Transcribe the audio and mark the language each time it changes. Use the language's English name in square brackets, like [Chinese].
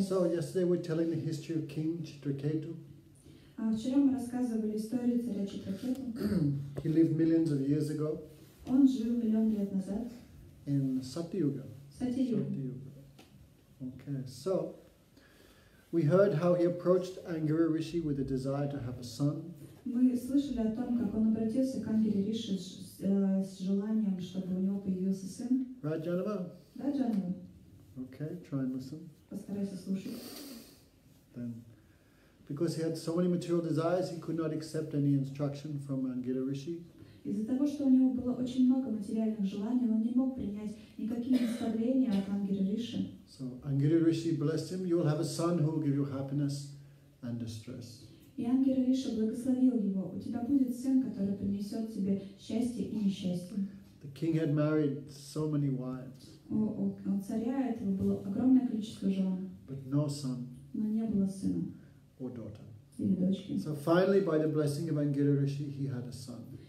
[English] So, yesterday we were telling the history of King Citraketu. [Russian] Вчера мы рассказывали историю царя Читракету. [English] He lived millions of years ago. [Russian] Он жил миллион лет назад. [English] In Satyuga. Satyuga. Okay, so we heard how he approached Angira Rishi with a desire to have a son. [Russian] Мы слышали о том, как он обратился к Ангире Риши с желанием, чтобы у него появился сын. [English] Right, Janava? [Russian] Да, Janava. [English] Okay, try and listen. [Russian] Постарайся слушать. [English] Then. Because he had so many material desires, he could not accept any instruction from Angira Rishi. [Russian] Из-за того, что у него было очень много материальных желаний, он не мог принять никаких наставлений от Ангира Риши. [English] So Angira Rishi blessed him. You will have a son who will give you happiness and distress. [Russian] И Ангира Риши благословил его. У тебя будет сын, который принесет тебе счастье и несчастье. [English] The king had married so many wives. [Russian] У царя этого было огромное количество жен. [English] But no son. [Russian] Но не было сына. [English] Or daughter. So finally, by the blessing of Angira Rishi, he had a son.